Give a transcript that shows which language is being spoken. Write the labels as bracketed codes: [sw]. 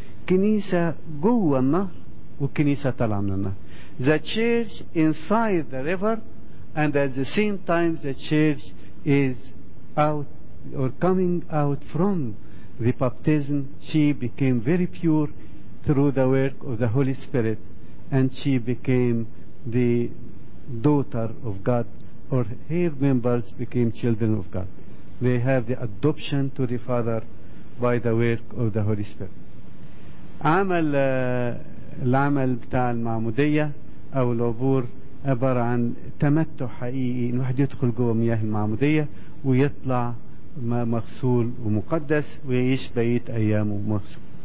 [ar] Kinisa جوه النهر وكنيسة طالعة من النهر. [en] The church inside the river, and at the same time the church is out or coming out from the baptism, she became very pure through the work of the Holy Spirit, and she became the daughter of God, or her members became children of God. They have the adoption to the Father by the work of the Holy Spirit. [ar] عمل العمل بتاع المعمودية أو العبور عبارة عن تمتع حقيقي، إن واحد يدخل جوه مياه المعمودية ويطلع مغسول ومقدس ويعيش بقية أيامه مغسول.